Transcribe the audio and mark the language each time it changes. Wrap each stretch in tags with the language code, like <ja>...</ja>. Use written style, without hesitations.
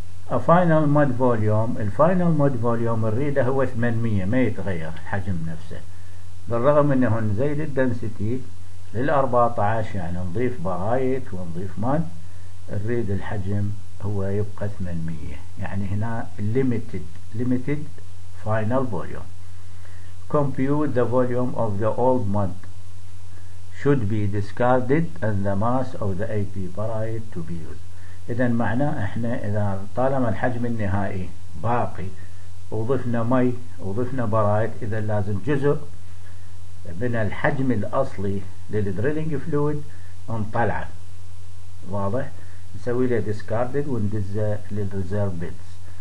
<en>A final mud volume،</en> <ar>الفاينل mud volume الريده هو 800 ما يتغير الحجم نفسه، بالرغم انه نزيد الدنسيتي لل 14 يعني نضيف برايت ونضيف mud الريد الحجم هو يبقى 800. يعني هنا</ar> <en>limited final volume. Compute the volume of the old mud should be discarded and the mass of the AP barite to be used.</en> <ar>إذن معناه إحنا إذا طالما الحجم النهائي باقي وضفنا مي وضفنا برايت، إذن لازم جزء من الحجم الأصلي للدريلينج فلويد نطلعه، واضح؟ نسوي له discarded وندزه للreserve bits.</ar>